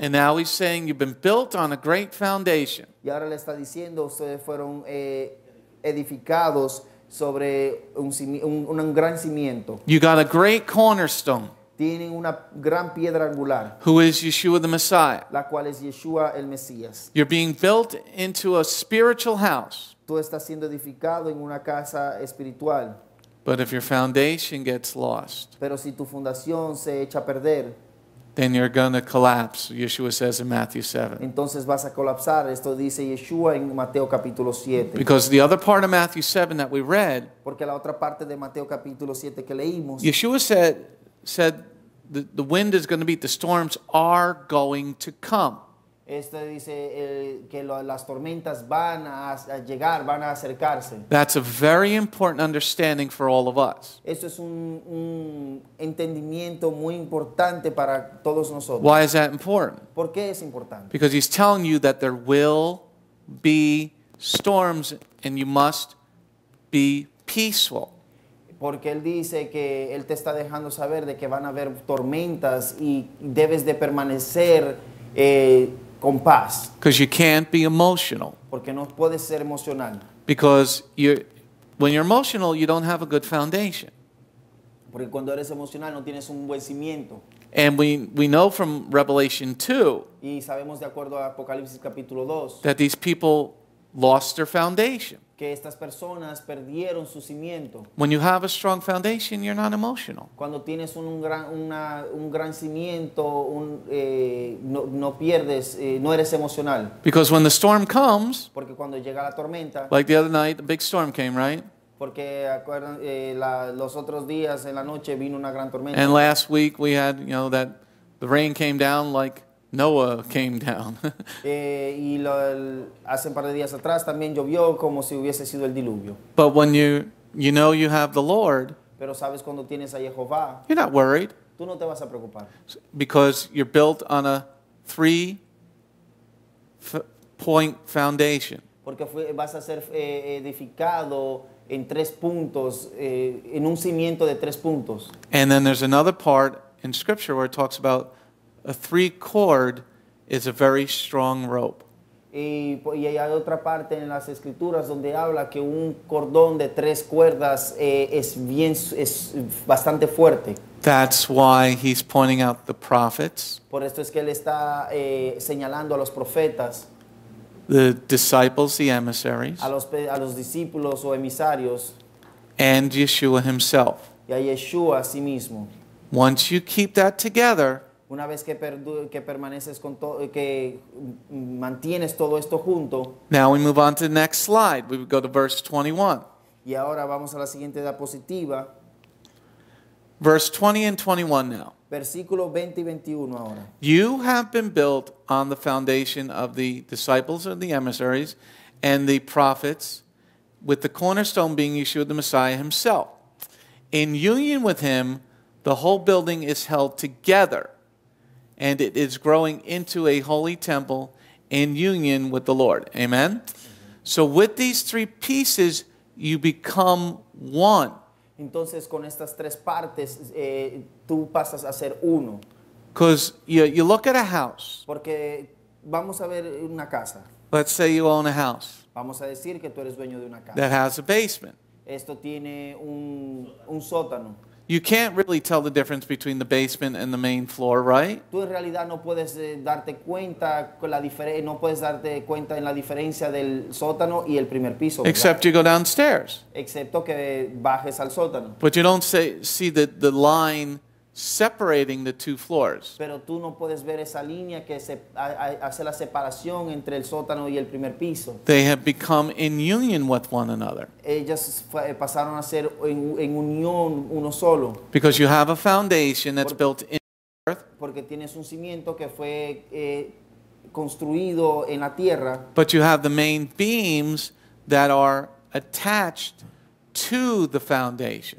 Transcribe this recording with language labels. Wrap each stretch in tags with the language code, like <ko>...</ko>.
<en>And now he's saying you've been built on a great foundation.</en> <es>Y ahora le está diciendo ustedes fueron edificados sobre un gran cimiento.</es> <en>You got a great cornerstone.</en> <es>Tienen una gran piedra angular.</es> <en>Who is Yeshua the Messiah?</en> <es>La cual es Yeshua el Mesías.</es> <en>You're being built into a spiritual house.</en> <es>Tú estás siendo edificado en una casa espiritual.</es> <en>But if your foundation gets lost,</en> <es>pero si tu fundación se echa a perder,</es> <en>then you're going to collapse, Yeshua says in Matthew 7.</en> <es>Entonces vas a colapsar, esto dice Yeshua en Mateo capítulo 7.</es> <en>Because the other part of Matthew 7 that we read,</en> <es>porque la otra parte de Mateo capítulo 7 que leímos,</es> <en>Yeshua said the wind is going to beat, the storms are going to come.</en> <es>Esto dice que las tormentas van a llegar, van a acercarse.</es> <en>That's a very important understanding for all of us.</en> <es>Esto es un entendimiento muy importante para todos nosotros.</es> <en>Why is that important?</en> <es>¿Por qué es importante?</es> <en>Because he's telling you that there will be storms and you must be peaceful.</en> <es>Porque él dice que él te está dejando saber de que van a haber tormentas y debes de permanecer</es> <en>because you can't be emotional.</en> <es>Porque no puedes ser emocional.</es> <en>Because when you're emotional, you don't have a good foundation.</en> <es>Porque cuando eres emocional, no tienes un buen cimiento.</es> <en>And we know from Revelation 2,</en> <es>y sabemos de acuerdo a Apocalipsis capítulo 2,</es> <en>that these people lost their foundation.</en> <es>Que estas personas perdieron su cimiento.</es> <en>When you have a strong foundation, you're not emotional.</en> <es>Cuando tienes un gran cimiento, no eres emocional.</es> <en>Because when the storm comes,</en> <es>porque cuando llega la tormenta,</es> <en>like the other night, a big storm came, right?</en> <es>Porque los otros días en la noche vino una gran tormenta.</es> <en>And last week we had, you know, that the rain came down like Noah came down.</en> <es>Hace un par de días atrás también llovió como si hubiese sido el diluvio.</es> <en>But when you know you have the Lord,</en> <es>pero sabes cuando tienes a Jehovah,</es> <en>you're not worried.</en> <es>Tú no te vas a preocupar.</es> <en>Because you're built on a 3-point foundation.</en> <es>Porque vas a ser edificado en tres puntos, en un cimiento de tres puntos.</es> <en>And then there's another part in Scripture where it talks about a 3-cord is a very strong rope.</en> <es>Y hay otra parte en las escrituras donde habla que un cordón de tres cuerdas es bastante fuerte.</es> <en>That's why he's pointing out the prophets.</en> <es>Por esto es que él está señalando a los profetas.</es> <en>The disciples, the emissaries.</en> <es>A los discípulos o emisarios.</es> <en>And Yeshua himself.</en> <es>Y a Yeshua a sí mismo.</es> <en>Once you keep that together,</en> <es>una vez que permaneces con todo, que mantienes todo esto junto.</es> <en>Now we move on to the next slide. We go to verse 21.</en> <es>Y ahora vamos a la siguiente diapositiva.</es> <en>Verse 20 and 21 now.</en> <es>Versículo 20 y 21 ahora.</es> <en>You have been built on the foundation of the disciples and the emissaries and the prophets, with the cornerstone being Yeshua the Messiah himself. In union with him, the whole building is held together. And it is growing into a holy temple in union with the Lord. Amen? Mm-hmm. So with these three pieces, you become one.</en> <es>Entonces, con estas tres partes, tú pasas a ser uno.</es> <en>Because you look at a house.</en> <es>Porque vamos a ver una casa.</es> <en>Let's say you own a house.</en> <es>Vamos a decir que tú eres dueño de una casa.</es> <en>That has a basement.</en> <es>Esto tiene un sótano.</es> <en>You can't really tell the difference between the basement and the main floor, right?</en> <es>Tú en realidad no puedes darte cuenta en la diferencia del sótano y el primer piso.</es> <en>Except you go downstairs.</en> <es>Excepto que bajes al sótano.</es> <en>But you don't see the line separating the two floors.</en> <es>Pero tú no puedes ver esa línea que hace la separación entre el sótano y el primer piso.</es> <en>They have become in union with one another.</en> <es>Ellas pasaron a ser en unión uno solo.</es> <en>Because you have a foundation that's built in earth.</en> <es>Porque tienes un cimiento que fue construido en la tierra.</es> <en>But you have the main beams that are attached to the foundation.</en>